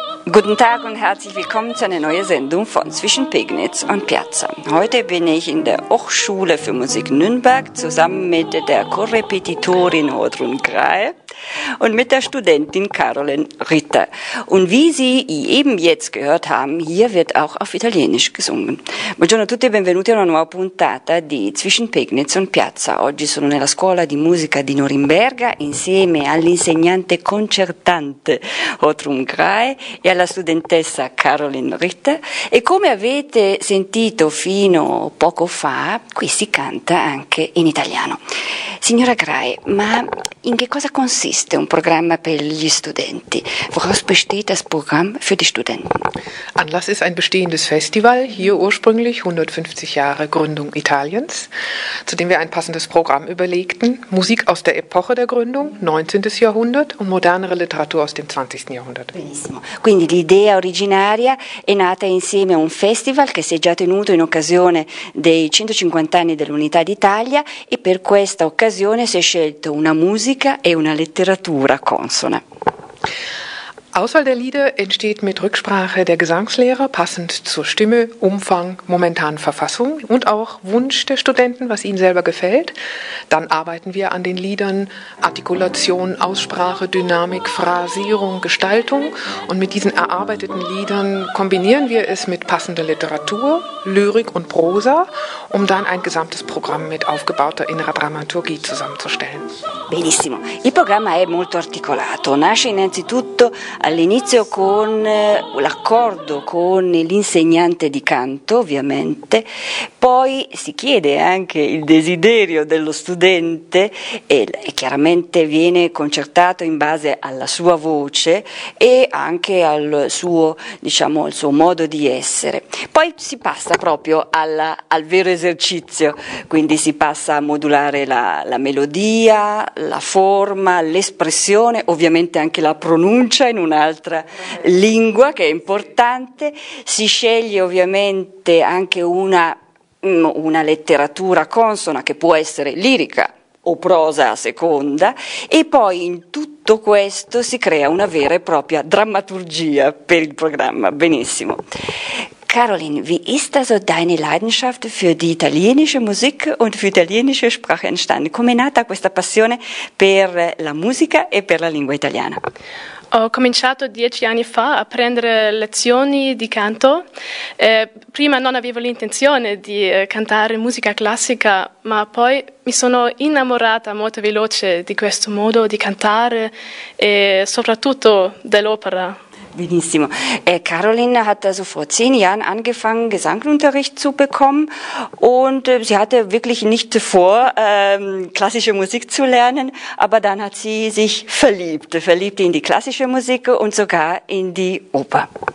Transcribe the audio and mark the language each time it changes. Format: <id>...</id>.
<de>Guten Tag und herzlich willkommen zu einer neuen Sendung von Zwischen Pegnitz und Piazza. Heute bin ich in der Hochschule für Musik Nürnberg zusammen mit der Korrepetitorin Odrun Grey und mit der Studentin Caroline Ritter. Und wie Sie eben jetzt gehört haben, hier wird auch auf Italienisch gesungen.</de> <it>Buongiorno a tutti e benvenuti a una nuova puntata di Zwischen Pegnitz und Piazza. Oggi sono nella scuola di musica di Norimberga insieme all'insegnante concertante Odrun Grey e alla studentessa Caroline Ritter. E come avete sentito fino poco fa, qui si canta anche in italiano. Signora Grey, ma in che cosa consiste un programma per gli studenti?</it> <de>Woraus besteht das Programm für die Studenten? Anlass ist ein bestehendes Festival, hier ursprünglich 150 Jahre Gründung Italiens, zu dem wir ein passendes Programm überlegten. Musik aus der Epoche der Gründung, 19. Jahrhundert, und modernere Literatur aus dem 20. Jahrhundert.</de> <it>Benissimo. Quindi l'idea originaria è nata insieme a un festival che si è già tenuto in occasione dei 150 anni dell'Unità d'Italia e per questa occasione si è scelto una musica e una letteratura consona.</it> <de>Auswahl der Lieder entsteht mit Rücksprache der Gesangslehrer, passend zur Stimme, Umfang, momentanen Verfassung und auch Wunsch der Studenten, was ihnen selber gefällt. Dann arbeiten wir an den Liedern Artikulation, Aussprache, Dynamik, Phrasierung, Gestaltung. Und mit diesen erarbeiteten Liedern kombinieren wir es mit passender Literatur, Lyrik und Prosa, um dann ein gesamtes Programm mit aufgebauter innerer Dramaturgie zusammenzustellen.</de> <it>Benissimo. Il programma è molto articolato. Nasce innanzitutto all'inizio con l'accordo con l'insegnante di canto, ovviamente, poi si chiede anche il desiderio dello studente e chiaramente viene concertato in base alla sua voce e anche al suo, diciamo, al suo modo di essere. Poi si passa proprio al vero esercizio, quindi si passa a modulare la melodia, la forma, l'espressione, ovviamente anche la pronuncia in un'altra lingua che è importante, si sceglie ovviamente anche una letteratura consona che può essere lirica o prosa a seconda e poi in tutto questo si crea una vera e propria drammaturgia per il programma. Benissimo.</it> <de>Caroline, wie ist also deine Leidenschaft für die italienische Musik und für die italienische Sprache entstanden?</de> <it>Come è nata questa passione per la musica e per la lingua italiana? Ho cominciato 10 anni fa a prendere lezioni di canto. Prima non avevo l'intenzione di cantare musica classica, ma poi mi sono innamorata molto veloce di questo modo di cantare e soprattutto dell'opera. Benissimo.</it> <de>Caroline hat also vor 10 Jahren angefangen, Gesangunterricht zu bekommen und sie hatte wirklich nicht vor, klassische Musik zu lernen, aber dann hat sie sich verliebt in die klassische Musik und sogar in die Oper.</de>